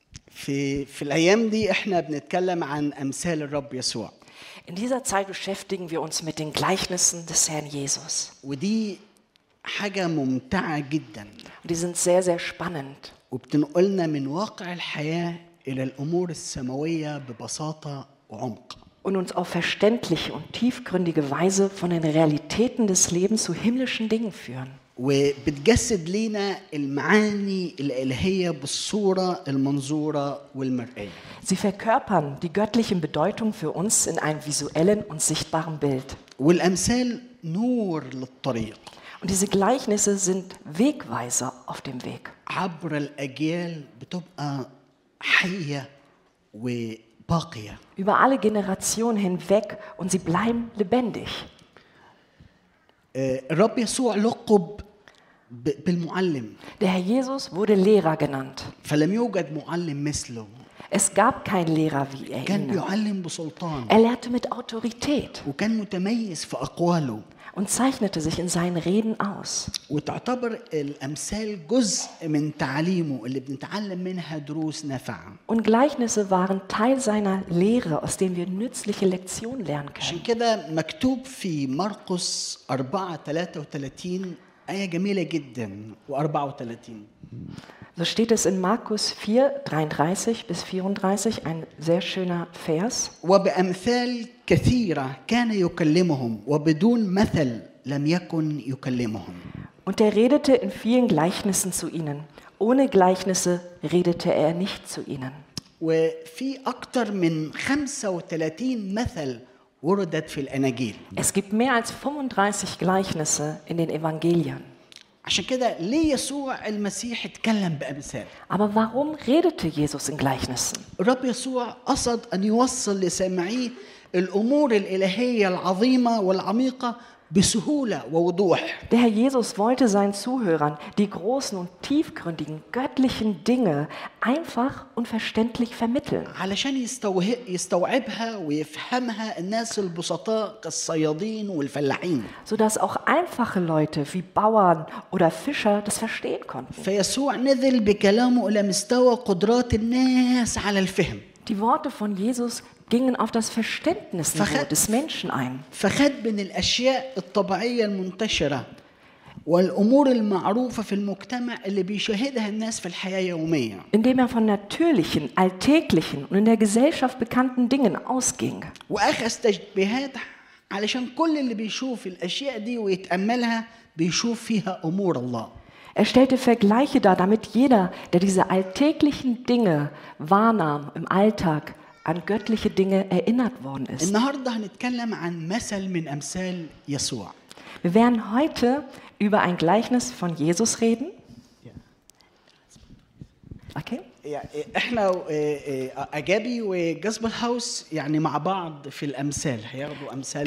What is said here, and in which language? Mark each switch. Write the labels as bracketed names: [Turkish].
[Arabic] في الأيام دي إحنا بنتكلم عن أمثال الرب يسوع. [German] In dieser Zeit beschäftigen wir uns mit den Gleichnissen des Herrn Jesus. [Arabic] ودي حاجة ممتعة جدا. [German] Und die sind sehr, sehr spannend. [Arabic] وبتنقلنا من واقع الحياة إلى الأمور السماوية ببساطة وعمق. [German] Und uns auf verständliche und tiefgründige Weise von den Realitäten des Lebens zu himmlischen Dingen führen. [Arabic] وبتجسد لنا المعاني الإلهية بالصورة المنظورة والمرئية. [German] Sie verkörpern die göttlichen Bedeutung für uns in einem visuellen und sichtbaren Bild. [Arabic] والأمثال نور للطريق. [German] Und diese Gleichnisse sind Wegweiser auf dem Weg. [Arabic] عبر الأجيال بتبقى حية وباقية. [German] Über alle Generationen hinweg und sie bleiben lebendig. [Arabic] الرب يسوع لقب بالمعلم. [German] Der Herr Jesus wurde Lehrer genannt. [Arabic] فلم يوجد معلم مثله. [German] Es gab kein Lehrer wie er. [Arabic] كان يعلم بسلطان. [German] Er lehrte mit Autorität. [Arabic] وكان متميز في أقواله. [German] Und zeichnete sich in seinen Reden aus. [Arabic] وتعتبر الأمثال جزء من تعليمه اللي بنتعلم منها دروس نافعة. [German] Und Gleichnisse waren Teil seiner Lehre, aus denen wir nützliche Lektionen lernen können. [Arabic] عشان كده مكتوب في مرقس 4:33 آية جميلة جدا و34. [German] So steht es in Markus 4:33-34 ein sehr schöner Vers. [Arabic] وبأمثال كثيرة كان يكلمهم وبدون مثل لم يكن يكلمهم. [German] Und er redete in vielen Gleichnissen zu ihnen. Ohne Gleichnisse redete er nicht zu ihnen. [Arabic] وفي أكثر من 35 مثل وردت في الأناجيل. [German] Es gibt mehr als 35 Gleichnisse in den Evangelien. [Arabic] عشان كده ليه يسوع المسيح اتكلم بأمثال؟ [German] Aber warum redete Jesus in Gleichnissen? [Arabic] رب يسوع قصد أن يوصل لسامعيه الأمور الإلهية العظيمة والعميقة بسهولة ووضوح. [German] Der Herr Jesus wollte seinen Zuhörern die großen und tiefgründigen göttlichen Dinge einfach und verständlich vermitteln. [Arabic] علشان يستوعبها ويفهمها الناس البسطاء كالصيادين والفلاحين. [German] Sodass auch einfache Leute wie Bauern oder Fischer das verstehen konnten. [Arabic] فيسوع نزل بكلامه إلى مستوى قدرات الناس على الفهم. [German] Die Worte von Jesus gingen auf das Verständnisniveau des Menschen ein. [Arabic] فخد من الأشياء الطبيعية المنتشرة والأمور المعروفة في المجتمع اللي بيشاهدها الناس في الحياة يومية. [German] Indem er von natürlichen, alltäglichen und in der Gesellschaft bekannten Dingen ausging. [Arabic] وأخذ تشبيهات علشان كل اللي بيشوف الأشياء دي ويتأملها بيشوف فيها أمور الله. [German] Er stellte Vergleiche dar, damit jeder, der diese alltäglichen Dinge wahrnahm im Alltag, an göttliche Dinge erinnert worden ist. [Arabic] النهاردة هنتكلم عن مثل من أمثال يسوع. [German] Wir werden heute über ein Gleichnis von Jesus reden. [English] Okay. [Arabic] Ja, احنا أجابي وجسبل هاوس يعني مع بعض في الأمثال هياخدوا أمثال